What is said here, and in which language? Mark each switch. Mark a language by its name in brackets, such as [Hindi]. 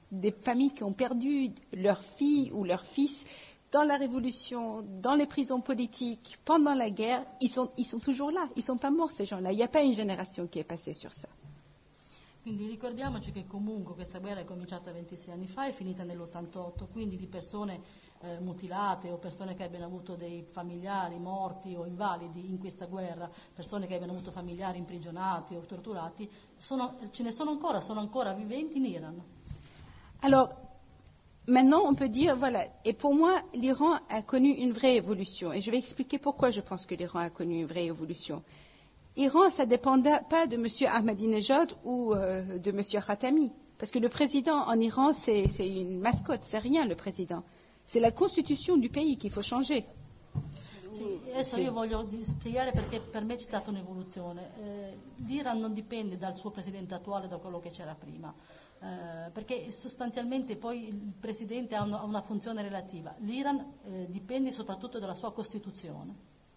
[French] Des familles qui ont perdu leurs filles ou leurs fils dans la révolution, dans les prisons politiques, pendant la guerre, ils sont toujours là. Ils sont pas morts, ces gens-là. Il n'y a pas une génération qui est passée sur ça. [Italian] Quindi ricordiamoci che comunque questa guerra è cominciata 26 anni fa e finita nell'88, quindi di persone mutilate o persone che abbiano avuto dei familiari morti o invalidi in questa guerra, persone che abbiano avuto familiari imprigionati o torturati, sono ancora viventi in Iran. [French] Allora, maintenant on peut dire, voilà, et pour moi l'Iran a connu une vraie évolution, et je vais expliquer pourquoi je pense que l'Iran a connu une vraie évolution. L'Iran, ça ne dépendait pas de M. Ahmadinejad ou de M. Khatami. Parce que le président en Iran, c'est une mascotte, c'est rien le président. C'est la constitution du pays qu'il faut changer. [Italian] Sì, adesso sì. Io voglio spiegare perché per me c'è stata un'evoluzione. L'Iran non dipende dal suo presidente attuale, da quello che c'era prima. Perché sostanzialmente poi il presidente ha una funzione relativa. L'Iran dipende soprattutto dalla sua costituzione.